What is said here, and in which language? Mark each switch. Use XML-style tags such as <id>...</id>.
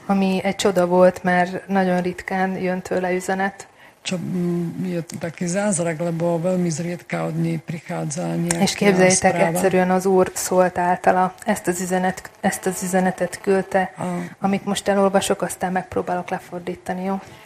<hu>Ami egy csoda volt, mert nagyon ritkán jön tőle üzenet.</hu> <sk>Čo je taký zázrak, lebo veľmi zriedka od nej prichádza nejaká správa.</sk> <hu>És képzeljétek, egyszerűen az Úr szólt általa, ezt az üzenetet küldte, amit most elolvasok, aztán megpróbálok lefordítani, jó?</hu>